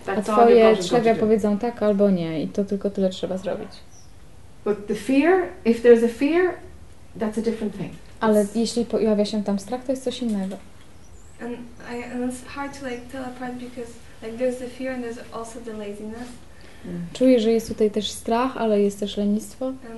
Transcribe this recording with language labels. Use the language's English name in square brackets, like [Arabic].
[Polish] A twoje czlewia powiedzą tak albo nie i to tylko tyle trzeba zrobić. [English] But the fear, if there's a fear, that's a different thing. [Polish] Ale jeśli pojawia się tam strach, to jest coś innego. [English] And it's hard to like tell apart because like there's the fear and there's also the laziness. [Polish] Czuję, że jest tutaj też strach, ale jest też lenistwo.